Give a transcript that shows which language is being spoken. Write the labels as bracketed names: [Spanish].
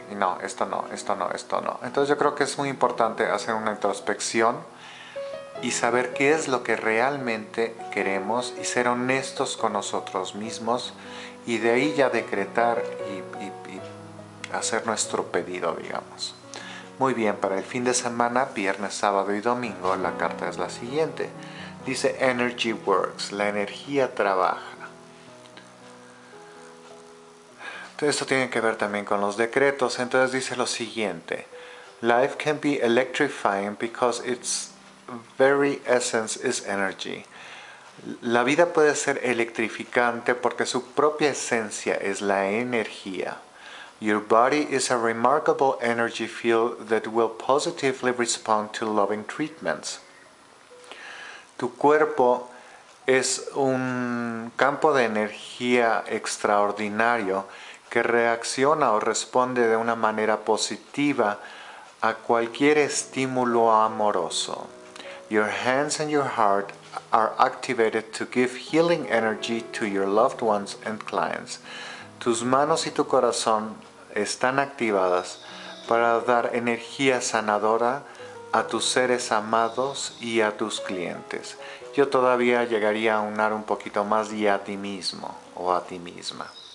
[Spanish] Y no, esto no, esto no, esto no. Entonces yo creo que es muy importante hacer una introspección y saber qué es lo que realmente queremos y ser honestos con nosotros mismos y de ahí ya decretar y hacer nuestro pedido, digamos. Muy bien, para el fin de semana, viernes, sábado y domingo, la carta es la siguiente. Dice Energy Works, la energía trabaja. Esto tiene que ver también con los decretos. Entonces dice lo siguiente. [English] Life can be electrifying because its very essence is energy. [Spanish] La vida puede ser electrificante porque su propia esencia es la energía. [English] Your body is a remarkable energy field that will positively respond to loving treatments. [Spanish] Tu cuerpo es un campo de energía extraordinario que reacciona o responde de una manera positiva a cualquier estímulo amoroso. [English] Your hands and your heart are activated to give healing energy to your loved ones and clients. [Spanish] Tus manos y tu corazón están activadas para dar energía sanadora a tus seres amados y a tus clientes. Yo todavía llegaría a unar un poquito más y a ti mismo o a ti misma.